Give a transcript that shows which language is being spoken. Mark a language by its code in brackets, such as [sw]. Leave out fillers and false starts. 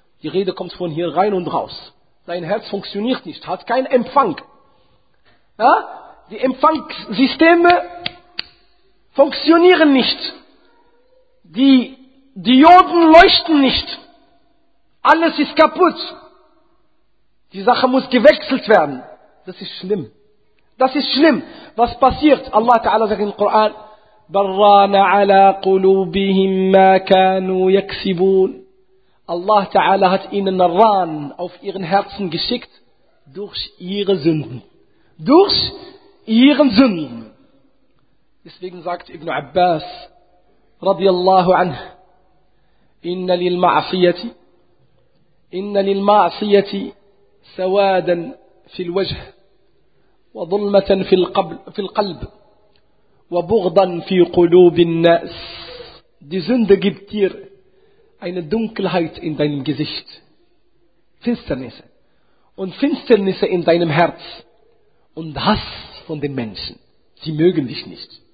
[de] Die Rede kommt von hier rein und raus. Dein Herz funktioniert nicht, hat keinen Empfang. Ja? Die Empfangssysteme funktionieren nicht. Die Dioden leuchten nicht. Alles ist kaputt. Die Sache muss gewechselt werden. Das ist schlimm. Das ist schlimm. Was passiert? Allah Ta'ala sagt im Koran, [ar] بَرَّانَ عَلَىٰ قُلُوبِهِمْ مَا كَانُوا يَكْسِبُونَ. [de] Allah Ta'ala hat ihnen Ran auf ihren Herzen geschickt durch ihre Sünden. Durch ihren Sünden. Deswegen sagt Ibn Abbas, radiallahu anhu, [ar] إِنَّ لِلْمَعْصِيَةِ سَوَادًا فِي الْوَجْهِ وَظُلْمَةً فِي الْقَلْبِ وَبُغْضًا فِي قُلُوبِ النَّاسِ. [de] Die Sünde gibt dir eine Dunkelheit in deinem Gesicht. Finsternisse. Und Finsternisse in deinem Herz. Und Hass von den Menschen. Sie mögen dich nicht.